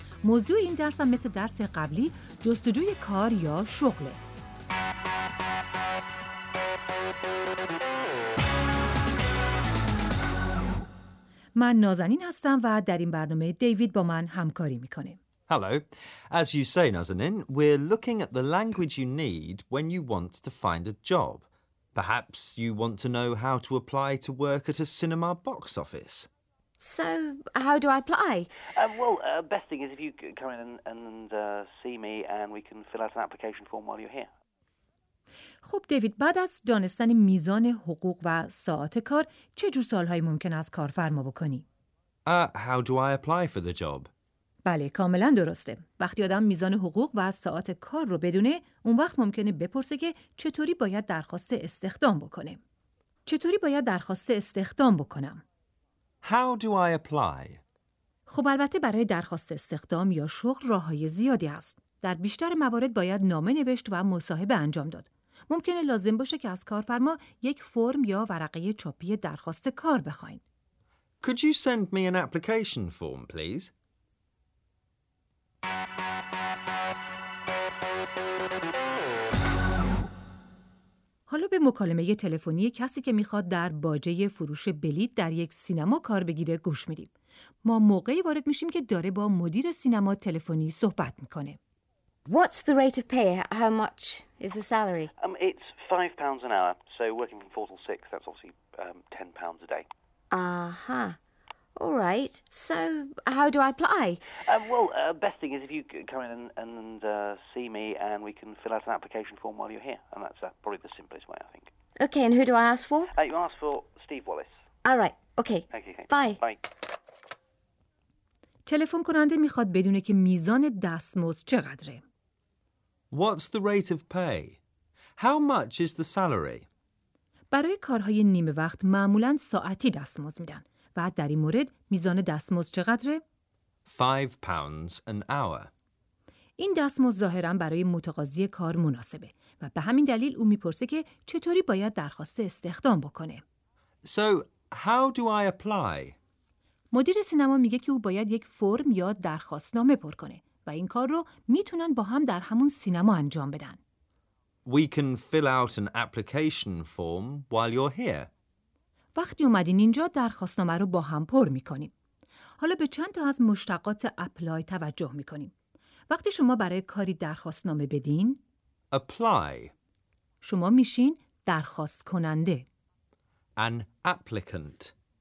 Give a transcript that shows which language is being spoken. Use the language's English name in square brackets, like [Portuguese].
[Persian] موضوع این درس هم مثل درس قبلی جستجوی کار یا شغله. من نازنین هستم و در این برنامه دیوید با من همکاری میکنه. [English] Hello. As you say, Nazanin, we're looking at the language you need when you want to find a job. Perhaps you want to know how to apply to work at a cinema box office. So, how do I apply? Best thing is if you come in and see me and we can fill out an application form while you're here. [Persian] خب دیوید، بعد از دانستن میزان حقوق و ساعت کار، چه جور سوال‌هایی ممکن است کارفرما بکنی؟ [English] How do I apply for the job? [Persian] بله، کاملا درسته. وقتی آدم میزان حقوق و ساعت کار رو بدونه، اون وقت ممکنه بپرسه که چطوری باید درخواست استخدام بکنه. چطوری باید درخواست استخدام بکنم؟ [English] How do I apply? [Persian] خب البته برای درخواست استخدام یا شغل راه‌های زیادی هست. در بیشتر موارد باید نامه نوشت و مصاحبه انجام داد. ممکنه لازم باشه که از کارفرما یک فرم یا ورقه چاپی درخواست کار بخواین. [English] Could you send me an application form, please? [Persian] حالا به مکالمه تلفنی کسی که میخواد در باجه فروش بلیط در یک سینما کار بگیره گوش میدیم. ما موقعی وارد میشیم که داره با مدیر سینما تلفنی صحبت میکنه. [English] What's the rate of pay? How much is the salary? It's £5 an hour. So working from 4 till 6, that's obviously £10 a day. Uh-huh. All right. So how do I apply? Best thing is if you come in and see me and we can fill out an application form while you're here. And that's probably the simplest way, I think. Okay, and who do I ask for? You ask for Steve Wallace. All right. Okay. Okay. Bye. [Persian] تلفن کننده میخواد بدونه که میزان دستمزد چقدره. [English] What's the rate of pay? How much is the salary? [Persian] برای کارهای نیمه وقت معمولاً ساعتی دستمزد میدن. و در این مورد میزان دستمزد چقدره؟ [English] £5 an hour. [Persian] این دستمزد ظاهراً برای متقاضی کار مناسبه و به همین دلیل او میپرسه که چطوری باید درخواست استخدام بکنه. [English] So, how do I apply? [Persian] مدیر سینما میگه که او باید یک فرم یا درخواستنامه پر کنه و این کار رو میتونن با هم در همون سینما انجام بدن. [English] We can fill out an application form while you're here. [Persian] وقتی اومدین اینجا درخواستنامه رو با هم پر میکنیم. حالا به چند تا از مشتقات اپلای توجه میکنیم. وقتی شما برای کاری درخواستنامه بدین [English] apply. [Persian] شما میشین درخواست کننده. [English] An applicant.